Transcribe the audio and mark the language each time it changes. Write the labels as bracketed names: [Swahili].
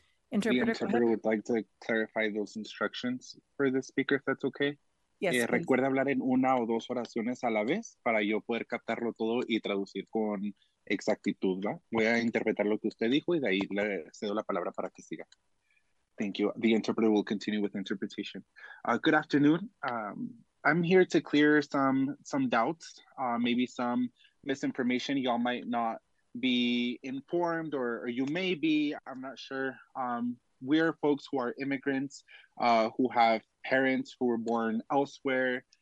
[English] Interpreter would like to clarify those instructions for the speaker, if that's okay. Yes, please. [Spanish] Recuerda hablar en una o dos oraciones a la vez para yo poder captarlo todo y traducir con exactitud, ¿va? Voy a interpretar lo que usted dijo y de ahí le cedo la palabra para que siga. [English] Thank you. The interpreter will continue with interpretation. Good afternoon. I'm here to clear some doubts, maybe some misinformation y'all might not be informed, or you may be, I'm not sure. We're folks who are immigrants, who have parents who were born elsewhere.